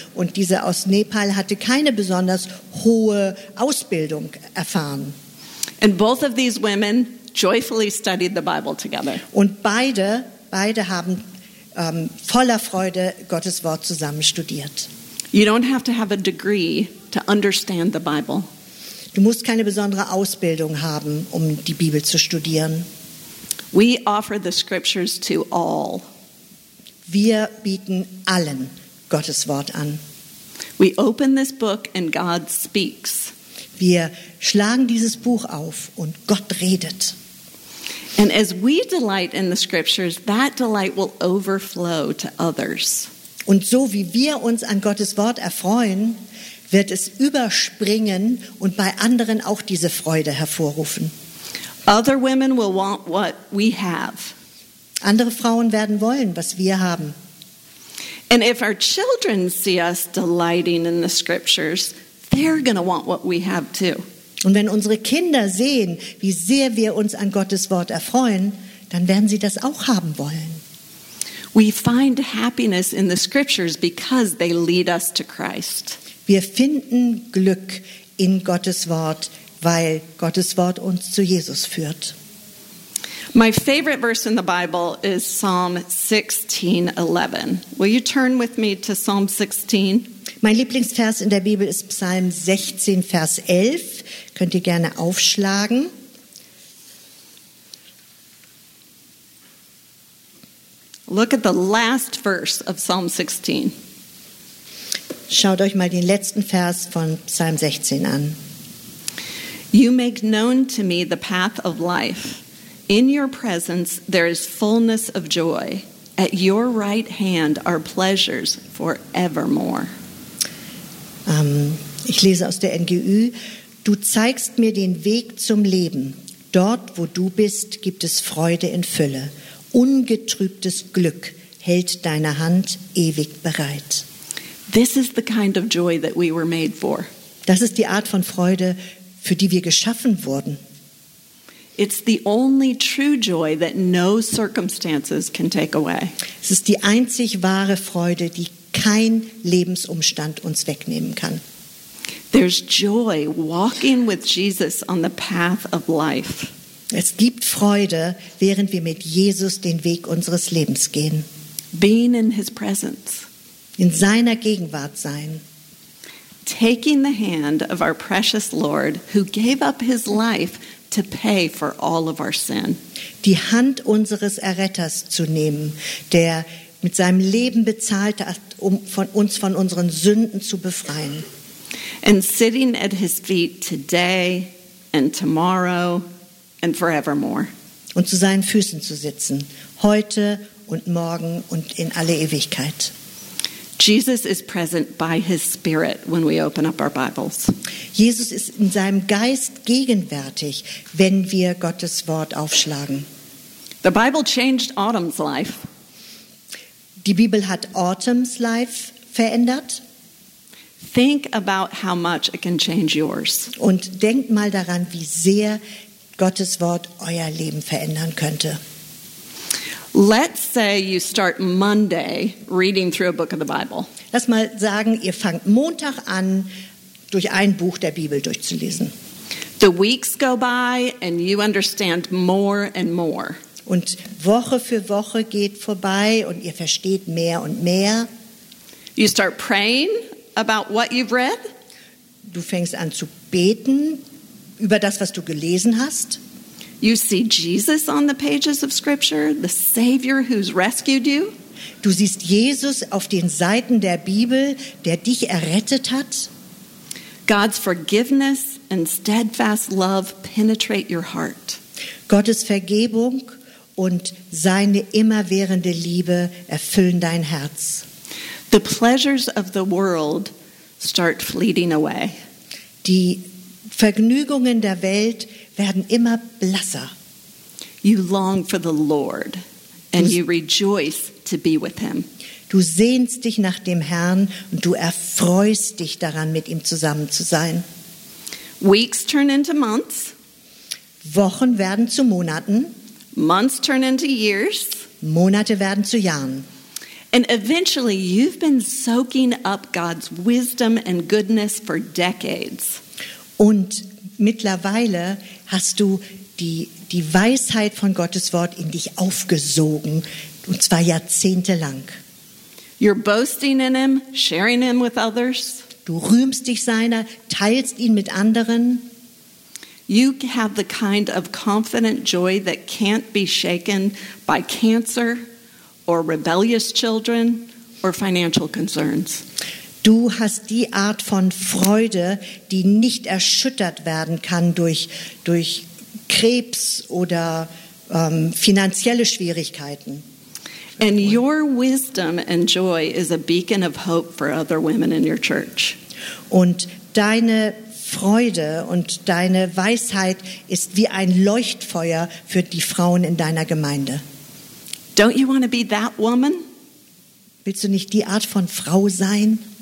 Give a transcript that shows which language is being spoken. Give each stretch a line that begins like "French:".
German: Und diese aus Nepal hatte keine besonders hohe Ausbildung erfahren.
English: And both of these women joyfully studied the Bible together.
German: Und beide haben voller Freude Gottes Wort zusammen studiert.
English: You don't have to have a degree to understand the Bible.
German: Du musst keine besondere Ausbildung haben, um die Bibel zu studieren.
English: We offer the scriptures to all.
German: Wir bieten allen Gottes Wort an.
English: We open this book and God speaks.
German: Wir schlagen dieses Buch auf und Gott redet.
English: And as we delight in the scriptures, that delight will overflow to others.
German: Und so wie wir uns an Gottes Wort erfreuen, wird es überspringen und bei anderen auch diese Freude hervorrufen.
English: Other women will want what we have.
German: Andere Frauen werden wollen, was wir haben.
English: And if our children see us delighting in the scriptures, they're going to want what we have too.
German: Und wenn unsere Kinder sehen, wie sehr wir uns an Gottes Wort erfreuen, dann werden sie das auch haben wollen.
English: We find happiness in the scriptures because they lead us to Christ.
German: Wir finden Glück in Gottes Wort, weil Gottes Wort uns zu Jesus führt.
English: My favorite verse in the Bible is Psalm 16:11. Will you turn with me to Psalm 16?
German: Mein Lieblingsvers in der Bibel ist Psalm 16, Vers 11. Könnt ihr gerne aufschlagen.
English: Look at the last verse of Psalm 16.
German: Schaut euch mal den letzten Vers von Psalm 16 an.
English: You make known to me the path of life. In your presence there is fullness of joy. At your right hand are pleasures forevermore.
German: Ich lese aus der NGÜ. Du zeigst mir den Weg zum Leben. Dort, wo du bist, gibt es Freude in Fülle. Ungetrübtes Glück hält deine Hand ewig bereit.
English: This is the kind of joy that we were made for.
German: Das ist die Art von Freude, für die wir geschaffen wurden.
English: It's the only true joy that no circumstances can take away.
German: Es ist die einzig wahre Freude, die kein Lebensumstand uns wegnehmen kann.
English: There's joy walking with Jesus on the path of life.
German: Es gibt Freude, während wir mit Jesus den Weg unseres Lebens gehen.
English: Being in his presence.
German: In seiner Gegenwart sein.
English: Taking the hand of our precious Lord, who gave up his life to pay for all of our sin.
German: Die Hand unseres Erretters zu nehmen, der mit seinem Leben bezahlt hat, um uns von unseren Sünden zu befreien.
English: And sitting at his feet today and tomorrow and forevermore.
German: Und zu seinen Füßen zu sitzen, heute und morgen und in alle Ewigkeit.
English: Jesus is present by his spirit when we open up our Bibles.
German: Jesus ist in seinem Geist gegenwärtig, wenn wir Gottes Wort aufschlagen.
English: The Bible changed Autumn's life.
German: Die Bibel hat Autumn's
English: life
German: verändert.
English: Think about how much it can change yours.
German: Und denkt mal daran, wie sehr Gottes Wort euer Leben verändern könnte.
English: Let's say you start Monday reading through a book of the Bible.
German: Lass mal sagen, ihr fangt Montag an, durch ein Buch der Bibel durchzulesen.
English: The weeks go by and you understand more and more.
German: Und Woche für Woche geht vorbei und ihr versteht mehr und mehr.
English: You start praying about what you've read.
German: Du fängst an zu beten über das, was du gelesen hast.
English: You see Jesus on the pages of Scripture, the Savior who's rescued you.
German: Du siehst Jesus auf den Seiten der Bibel, der dich errettet hat.
English: God's forgiveness and steadfast love penetrate your heart.
German: Gottes Vergebung und seine immerwährende Liebe erfüllen dein Herz.
English: The pleasures of the world start fleeting away.
German: Die Vergnügungen der Welt werden immer blasser.
English: You long for the Lord and you rejoice to be with him.
German: Du sehnst dich nach dem Herrn und du erfreust dich daran, mit ihm zusammen zu sein.
English: Weeks turn into months.
German: Wochen werden zu Monaten.
English: Months turn into years.
German: Monate werden zu Jahren.
English: And eventually you've been soaking up God's wisdom and goodness for decades.
German: Und mittlerweile hast du die Weisheit von Gottes Wort in dich aufgesogen, und zwar jahrzehntelang.
English: You're boasting in him, sharing him with others.
German: Du rühmst dich seiner, teilst ihn mit anderen.
English: You have the kind of confident joy that can't be shaken by cancer or rebellious children or financial concerns.
German: Du hast die Art von Freude, die nicht erschüttert werden kann durch Krebs oder finanzielle Schwierigkeiten.
English: And your wisdom and joy is a beacon of hope for other women in your church.
German: Und deine Freude und deine Weisheit ist wie ein Leuchtfeuer für die Frauen in deiner Gemeinde.
English: Don't you want to be that woman?
German: Willst du nicht die Art von Frau sein?